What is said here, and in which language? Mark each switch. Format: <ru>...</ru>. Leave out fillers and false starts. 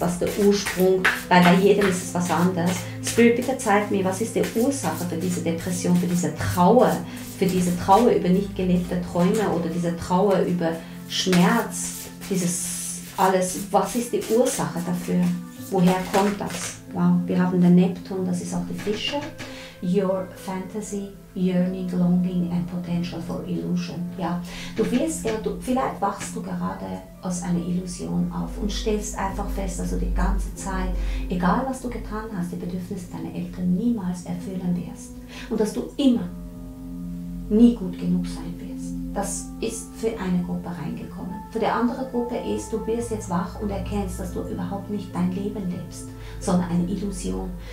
<de>Was der Ursprung, weil bei jedem ist es was anderes. Spirit, bitte zeig mir, was ist die Ursache für diese Depression, für diese Trauer über nicht gelebte Träume oder diese Trauer über Schmerz, dieses alles. Was ist die Ursache dafür? Woher kommt das? Wow, wir haben den Neptun, das ist auch die Fische.</de> <en>Your fantasy, yearning, longing and potential for illusion.</en> <de>Ja, vielleicht wachst du gerade aus einer Illusion auf und stellst einfach fest, dass du die ganze Zeit, egal was du getan hast, die Bedürfnisse deiner Eltern niemals erfüllen wirst. Und dass du immer nie gut genug sein wirst. Das ist für eine Gruppe reingekommen. Für die andere Gruppe ist, du wirst jetzt wach und erkennst, dass du überhaupt nicht dein Leben lebst, sondern eine Illusion.</de>